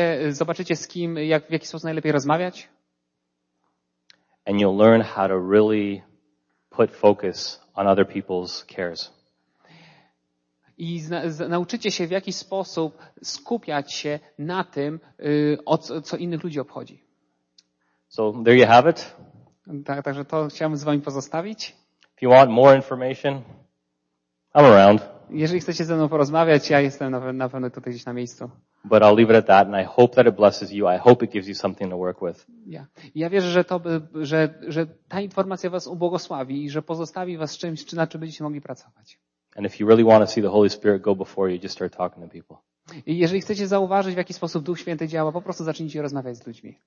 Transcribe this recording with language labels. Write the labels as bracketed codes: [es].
[pl] Zobaczycie z kim, w jaki sposób najlepiej rozmawiać. [en] and you'll learn how to really put focus on other people's cares. [pl] I nauczycie się, w jaki sposób skupiać się na tym, co innych ludzi obchodzi. [en] So there you have it. [pl] Także to chciałem z wami pozostawić. [en] If you want more information, I'm around. [pl] Jeżeli chcecie ze mną porozmawiać, ja jestem na pewno tutaj gdzieś na miejscu. [en] But I'll leave it at that, and I hope that it blesses you. I hope it gives you something to work with. Yeah. [pl] Ja wierzę, że ta informacja was ubłogosławi i że pozostawi was czymś, czy na czym będziecie mogli pracować. [en] And if you really want to see the Holy Spirit go before you, just start talking to people. [pl] I jeżeli chcecie zauważyć, w jaki sposób Duch Święty działa, po prostu zacznijcie rozmawiać z ludźmi.